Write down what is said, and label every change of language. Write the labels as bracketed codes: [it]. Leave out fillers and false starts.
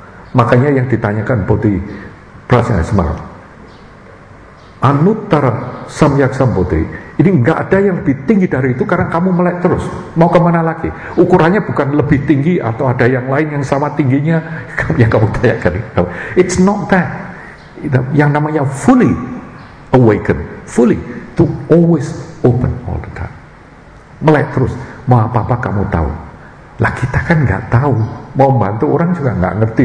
[id] Makanya yang ditanyakan Bodhi Prasanya Semar, Anuttaram Samyak Sambodhi, ini gak ada yang lebih tinggi dari itu karena kamu melek terus. Mau kemana lagi? Ukurannya bukan lebih tinggi atau ada yang lain yang sama tingginya yang kamu tanyakan. [en] It's not that. [id] Yang namanya [en] fully awaken, fully to always open all the time. [id] Melek terus, mau apa-apa kamu tahu. Lah kita kan gak tahu, mau bantu orang juga gak ngerti.